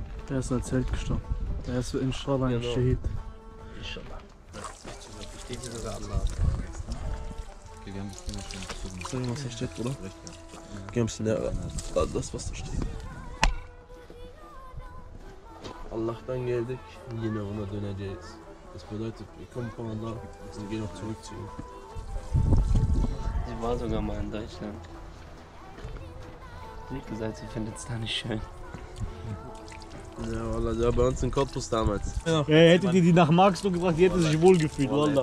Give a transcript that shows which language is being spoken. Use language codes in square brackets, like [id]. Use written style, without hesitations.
[de] Er ist in ein Zelt gestorben. Er ist inshallah ein genau. Shahid. Inshallah. Sag mal, was da steht, oder? Geh ein bisschen näher an das, was da steht. [tr] Allah'tan geldik, yine ona döneceğiz. [de] Das bedeutet, wir kommen von Allah und gehen auch zurück zu ihm. Sie war sogar mal in Deutschland. Sie hat gesagt, sie findet es da nicht schön. Ja, Wallah, sie war bei uns in Cottbus damals. Ja, hättet ihr die nach Marxloh gebracht, die hätte sich wohl gefühlt, Wallah.